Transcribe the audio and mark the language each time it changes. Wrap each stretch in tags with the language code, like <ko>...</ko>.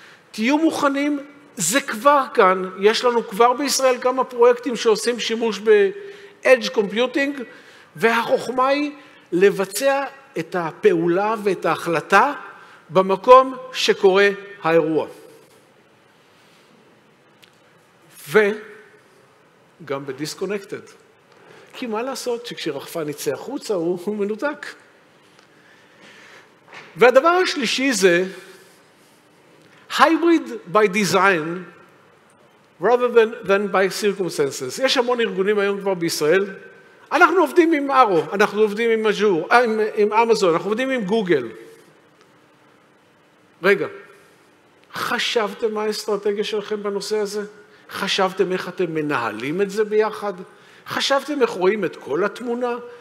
<he>תהיו מוכנים, זה כבר כאן, יש לנו כבר בישראל כמה פרויקטים שעושים שימוש ב-Edge Computing, והחוכמה היא לבצע את הפעולה ואת ההחלטה במקום שקורה האירוע. וגם ב-Disconnected. כי מה לעשות שכשרחפן יצא החוצה הוא מנותק. והדבר השלישי זה</he> <en>Hybrid by Design rather than by Circumstances.</en> <he>יש המון ארגונים היום כבר בישראל, אנחנו עובדים עם ארו, אנחנו עובדים עם אג'ור, עם אמזון, אנחנו עובדים עם גוגל. רגע, חשבתם מה האסטרטגיה שלכם בנושא הזה? חשבתם איך אתם מנהלים את זה ביחד? חשבתם איך רואים את כל התמונה?</he>